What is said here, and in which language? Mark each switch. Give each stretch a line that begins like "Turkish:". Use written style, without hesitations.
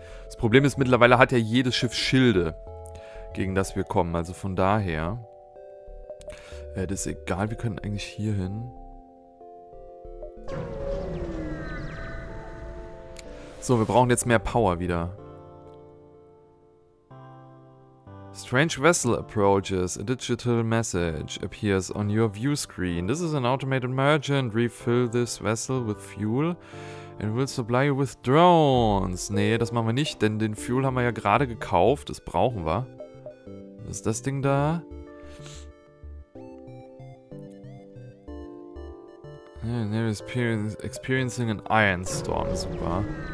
German: Das Problem ist, mittlerweile hat ja jedes Schiff Schilde, gegen das wir kommen. Also von daher, das ist egal. Wir können eigentlich hier hin. So, wir brauchen jetzt mehr Power wieder.
English: Strange vessel approaches. A digital message appears on your view screen. This is an automated merchant. Refill this vessel with fuel. And we'll supply you with drones.
German: Nee, das machen wir nicht, denn den Fuel haben wir ja gerade gekauft. Das brauchen wir. Was ist das Ding da?
English: Experiencing an Iron Storm. Super.